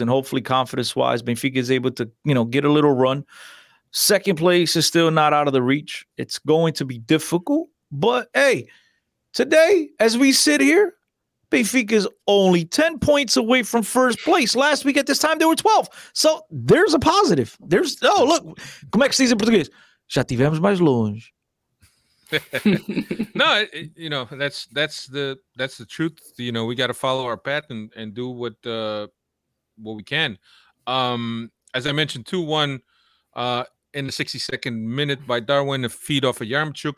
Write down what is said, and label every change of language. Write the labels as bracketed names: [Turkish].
[English] And hopefully, confidence-wise, Benfica is able to, you know, get a little run. Second place is still not out of the reach. It's going to be difficult. But, hey, today, as we sit here, Benfica is only 10 points away from first place. Last week at this time, they were 12. So there's a positive. [Portuguese] Como é que se diz em português? Já tivemos mais longe. [English] No, you know, that's the truth. You know, we got to follow our path and do what we can. As I mentioned, 2-1 in the 62nd minute by Darwin, a feed off of Yarmchuk.